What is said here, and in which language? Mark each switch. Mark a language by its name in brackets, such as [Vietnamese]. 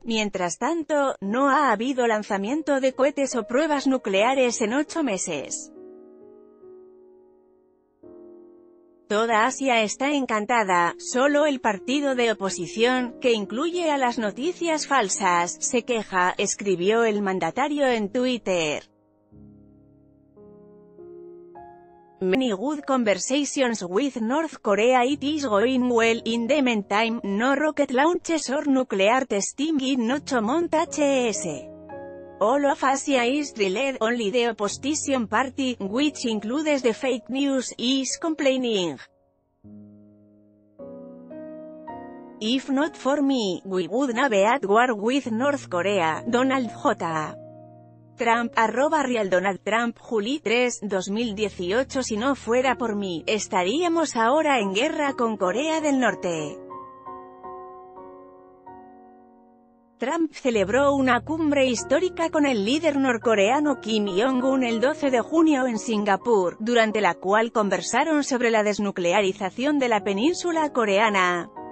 [Spanish] Mientras tanto, no ha habido lanzamiento de cohetes o pruebas nucleares en 8 meses. Toda Asia está encantada, solo el partido de oposición, que incluye a las noticias falsas, se queja, escribió el mandatario en Twitter. [English] Many good conversations with North Korea, it is going well, in the meantime, no rocket launches or nuclear testing in 8 months HS. All of Asia is delayed, only the opposition party, which includes the fake news, is complaining. If not for me, we would not be at war with North Korea, Donald J. Trump, @RealDonaldTrump, July 3, 2018. [Spanish] Si no fuera por mí, estaríamos ahora en guerra con Corea del Norte. Trump celebró una cumbre histórica con el líder norcoreano Kim Jong-un el 12 de junio en Singapur, durante la cual conversaron sobre la desnuclearización de la península coreana.